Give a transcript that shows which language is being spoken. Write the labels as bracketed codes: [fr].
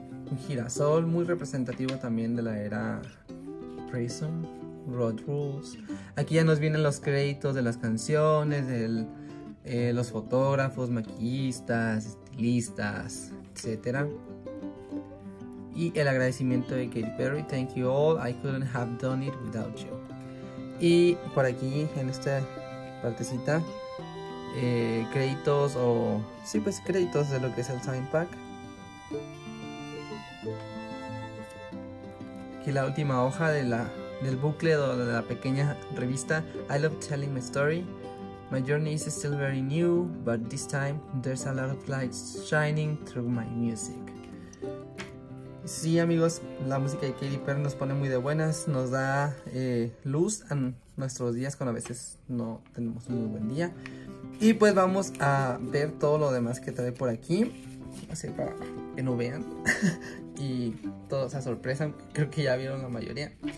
[es] Un girasol muy representativo también de la era Prism, Road Rules. Aquí ya nos vienen los créditos de las canciones, los fotógrafos, maquillistas, estilistas, etc. Y el agradecimiento de [en] Katy Perry, thank you all, I couldn't have done it without you. [es] Y por aquí, en esta partecita, créditos o... sí, pues créditos de lo que es el Time Pack. Aquí la última hoja del bucle o de la pequeña revista, [en] I love telling my story. My journey is still very new, but this time there's a lot of lights shining through my music. [es] Sí, amigos, la música de Katy Perry nos pone muy de buenas, nos da luz a nuestros días cuando a veces no tenemos un muy buen día. Y pues vamos a ver todo lo demás que trae por aquí, así para que no vean y todos a sorpresa, creo que ya vieron la mayoría.